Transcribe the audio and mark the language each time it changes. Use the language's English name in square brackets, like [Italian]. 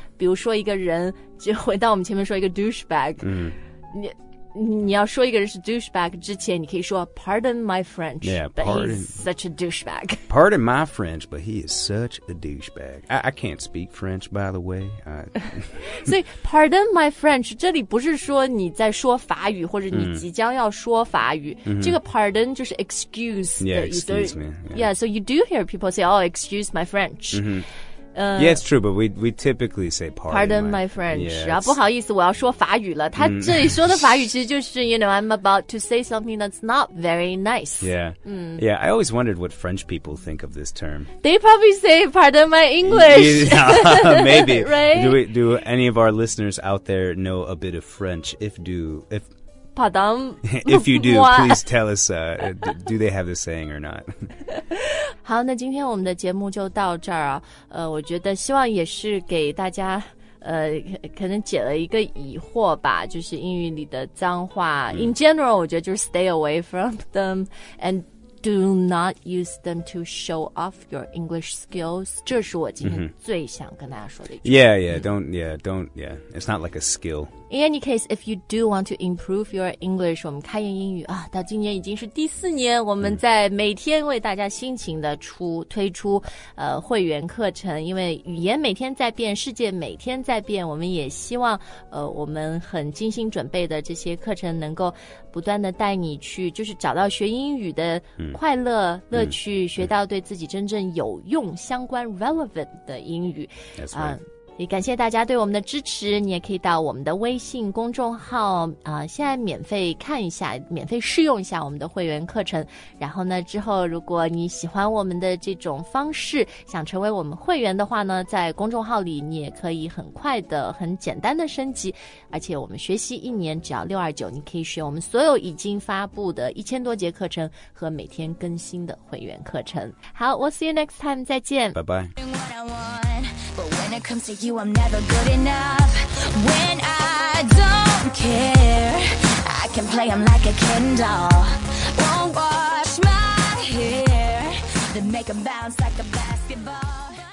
[Chinese] 比如说一个人就回到我们前面说一个 douchebag、嗯、你要说一个人是 douchebag 之前你可以说 [English] pardon my French yeah, but he's such a douchebag pardon my French but he is such a douchebag I can't speak French by the way I... [Chinese] 所以 [English] pardon my French [Chinese] 这里不是说你在说法语或者你即将要说法语、嗯、这个 pardon 就是 excuse [English] yeah excuse me yeah. yeah so you do hear people say oh excuse my French、 mm-hmm. Yeah, it's true, but we typically say pardon my French. Yeah, [Chinese] 不好意思，我要说法语了。他这里说的法语其实就是 [English] you know, I'm about to say something that's not very nice. Yeah, yeah. I always wondered what French people think of this term. They probably say pardon my English. Maybe. Right? Do any of our listeners out there know a bit of French? Pardon. If you do, please tell us, do they have the saying or not? [Chinese] 好，那今天我们的节目就到这儿啊。我觉得希望也是给大家，可能解了一个疑惑吧，就是英语里的脏话。 [English] In general, [Chinese] 我觉得就是 [English] stay away from them and do not use them to show off your English skills. [Chinese] 这是我今天最想跟大家说的一句。 [English] Yeah, don't. It's not like a skill. In any case, if you do want to improve your English, [Chinese] 我们开言英语啊，到今年已经是第四年，我们在每天为大家辛勤的推出会员课程，因为语言每天在变，世界每天在变，我们也希望我们很精心准备的这些课程能够不断的带你去，就是找到学英语的快乐乐趣，学到对自己真正有用相关 relevant 的英语。也感谢大家对我们的支持，你也可以到我们的微信公众号现在免费看一下，免费试用一下我们的会员课程，然后呢之后如果你喜欢我们的这种方式，想成为我们会员的话呢，在公众号里你也可以很快的很简单的升级，而且我们学习一年只要629，你可以学我们所有已经发布的1000多节课程和每天更新的会员课程。好， [English] we'll see you next time， [Chinese] 再见，拜拜。 [English] But when it comes to you, I'm never good enough. When I don't care, I can play them like a Ken doll. Won't wash my hair, then make them bounce like a basketball.